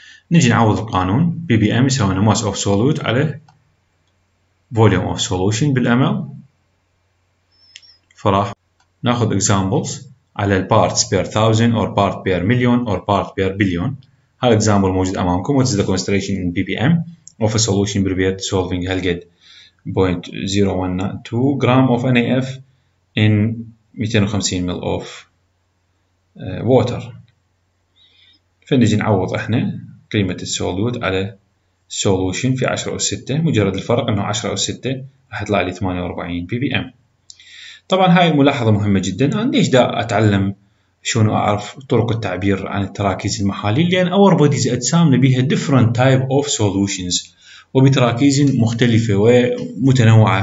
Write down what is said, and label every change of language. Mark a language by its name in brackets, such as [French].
[Arabic] نجي نعوض القانون PPM يساوي [English] mass of solute [Arabic] على [English] volume of solution [Arabic] بالأمل. فراح ناخذ examples على [English] parts per thousand or part per million or part per billion. [Arabic] هذا example موجود أمامكم. [English] What is the concentration in PPM of a solution prepared solving هل get 0.012 gram of NAF in 250 ml of water. [Arabic] فنجي نعوض احنا قيمة السولوت على solution في 10 أس 6. مجرد الفرق انه 10 أس 6 راح يطلع لي 48 ppm. طبعا هاي ملاحظة مهمة جدا. انا ليش دا اتعلم شلون اعرف طرق التعبير عن التراكيز المحاليل؟ لان [English] our bodies [Arabic] اجسامنا بيها [English] different type of solutions [Arabic] وبتراكيز مختلفة ومتنوعة.